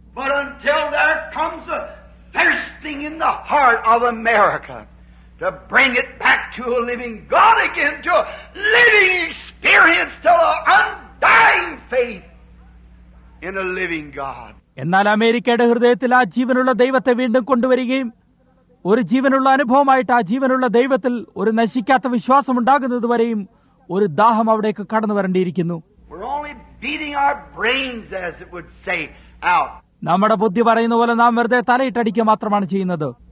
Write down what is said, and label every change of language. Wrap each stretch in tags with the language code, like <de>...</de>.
<en>But until there comes a thirsting in the heart of America to bring it back to a living God again, to a living experience, to an undying faith in a living God.</en> <ml>എന്നാൽ അമേരിക്കയുടെ ഹൃദയത്തിൽ ആ ജീവനുള്ള ദൈവത്തെ വീണ്ടും കൊണ്ടുവരികയും ഒരു ജീവനുള്ള അനുഭവമായിട്ട് ആ ജീവനുള്ള ദൈവത്തിൽ ഒരു നശിക്കാത്ത വിശ്വാസം ഉണ്ടാകുന്നതുവരെയും ഒരു ദാഹം അവിടേക്ക് കടന്നു വരേണ്ടിയിരിക്കുന്നു.</ml> <en>We're only beating our brains, as it would say, out.</en> <ml>നമ്മുടെ ബുദ്ധി പറയുന്ന പോലെ നാം വെറുതെ തലയിട്ടടിക്കുക മാത്രമാണ് ചെയ്യുന്നത്.</ml>